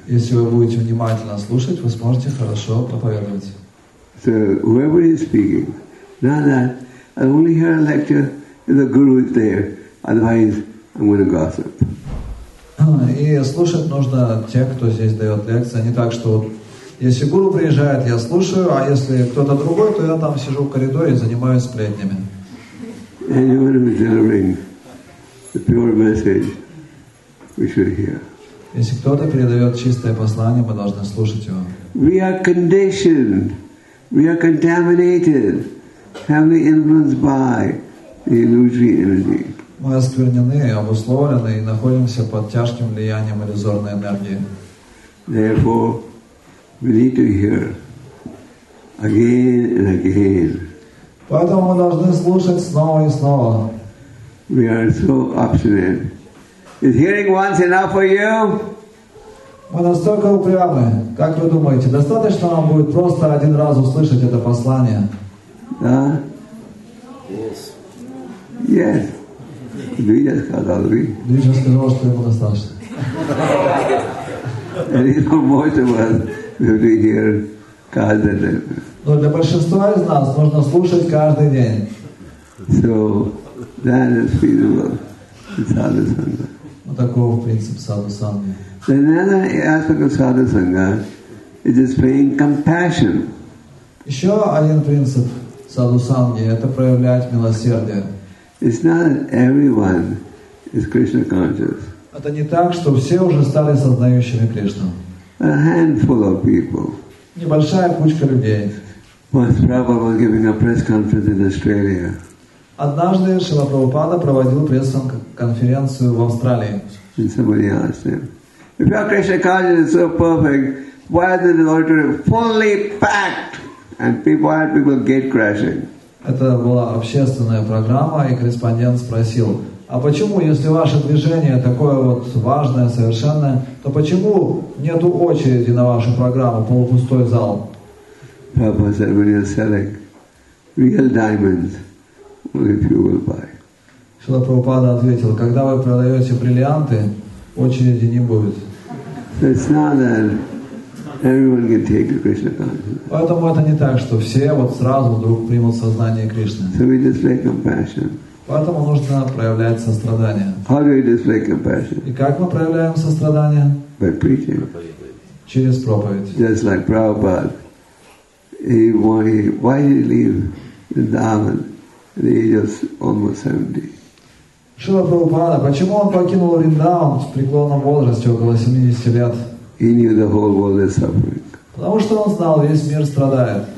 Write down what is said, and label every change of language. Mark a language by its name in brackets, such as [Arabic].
[Russian] Если вы будете внимательно слушать, вы сможете хорошо проповедовать. [English] So whoever is speaking, not that I only hear a lecture if the guru is there, otherwise I'm going to gossip. [Russian] И слушать нужно тех, кто здесь дает лекции, не так, что вот, если гуру приезжает, я слушаю, а если кто-то другой, то я там сижу в коридоре и занимаюсь сплетнями. [English] Anyone who is delivering the pure message, we should hear. [Russian] Если кто-то передает чистое послание, мы должны слушать его. [English] We are conditioned, we are contaminated, heavily influenced by the illusory energy. [Russian] Мы осквернены, обусловлены и находимся под тяжким влиянием иллюзорной энергии. [English] Therefore, we need to hear again and again. [Russian] Поэтому мы должны слушать снова и снова. [English] We are so obstinate. Is hearing once enough for you? [Russian] Мы настолько упрямы. Как вы думаете, достаточно нам будет просто один раз услышать это послание? Да? [English] Yes. Yes. [Russian] Движа сказал, что ему достаточно. [English] And you know, most of us will be here [Russian] каждый день. Но для большинства из нас нужно слушать каждый день. [English] So that is feasible. Sadhu Sangha. [Russian] Вот такой принцип Sadhu Sangha. [English] The other aspect of Sadhu Sangha is just paying compassion. [Russian] Еще один принцип Sadhu Sangha – это проявлять милосердие. [English] It's not that everyone is Krishna conscious. [Russian] Это не так, что все уже стали сознающими Кришну. [English] A handful of people. [Russian] Небольшая кучка людей. [English] Once Prabhupada was giving a press conference in Australia. [Russian] Однажды Шрила Прабхупада проводил пресс-конференцию в Австралии. [English] And somebody asked him, if your Krishna consciousness is so perfect, why is the auditorium fully packed and why are people gate crashing? [Russian] Это была общественная программа, и корреспондент спросил: а почему, если ваше движение такое вот важное, совершенное, то почему нету очереди на вашу программу, полупустой зал? [English] Prabhupada said, when you're selling real diamonds, only few will buy. [Russian] Шрила Прабхупада ответил: когда вы продаете бриллианты, очереди не будет. [English] It's not that everyone can take the Krishna consciousness. [Russian] Поэтому это не так, что все вот сразу вдруг примут сознание Кришны. [English] So we display compassion. [Russian] Поэтому нужно проявлять сострадание. [English] How do we display compassion? [Russian] И как мы проявляем сострадание? [English] By preaching. [Russian] Через проповедь. [English] Just like Prabhupada. Why did he leave Vrindavan at the age of almost 70? [Russian] Шрила Прабхупада, почему он покинул Риндаун в преклонном возрасте около 70 лет? [English] He knew the whole world is suffering. [Russian] Потому что он знал, весь мир страдает.